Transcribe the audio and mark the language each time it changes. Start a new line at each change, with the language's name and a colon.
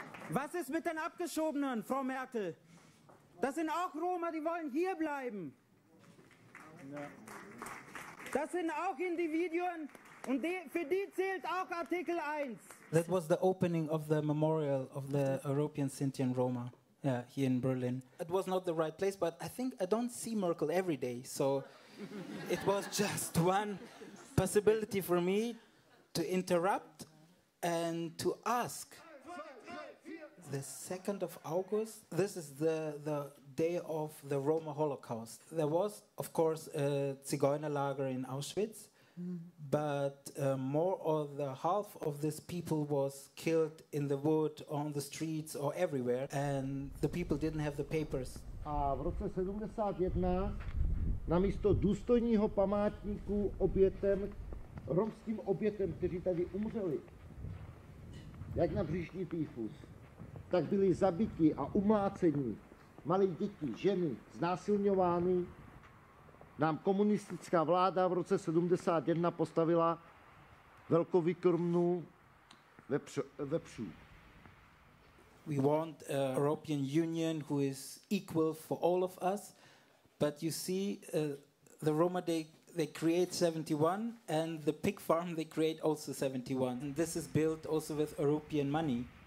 German: Was ist mit den Abgeschobenen, Frau Merkel? Das sind auch Roma, die wollen hier bleiben. Das sind auch Individuen, und für die zählt auch Artikel 1.
English: That was the opening of the memorial of the European Sinti and Roma. Yeah, here in Berlin. It was not the right place, but I think I don't see Merkel every day, so it was just one possibility for me to interrupt and to ask. The 2nd of August, this is the day of the Roma Holocaust. There was, of course, a Zigeunerlager in Auschwitz, but more or the half of these people was killed in the wood, on the streets, or everywhere, and the people didn't have the papers.
Czech: A v roce 71 na místo důstojního památníku obětem, romským obětem, kteří tady umřeli, jak na břišní týfus, tak byli zabiti a umláceni malí děti, ženy, znásilňovány. Nám komunistická vláda v roce 71 postavila velkovýkrmnu vepřů.
English: We want a European Union who is equal for all of us, but you see the Roma Day, they create 71, and the pig farm they create also 71, and this is built also with European money.